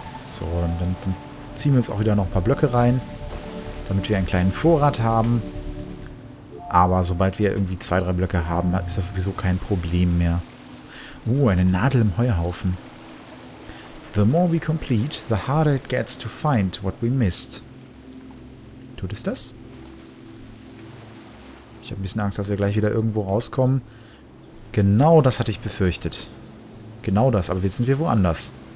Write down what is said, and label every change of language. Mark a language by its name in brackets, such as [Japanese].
[German] So, dann ziehen wir uns auch wieder noch ein paar Blöcke rein. Damit wir einen kleinen Vorrat haben. Aber sobald wir irgendwie zwei, drei Blöcke haben, ist das sowieso kein Problem mehr. Eine Nadel im Heuhaufen. [English] The more we complete, the harder it gets to find what we missed. [German] Tut es das? Ich habe ein bisschen Angst, dass wir gleich wieder irgendwo rauskommen. Genau das hatte ich befürchtet. Genau das, aber jetzt sind wir woanders.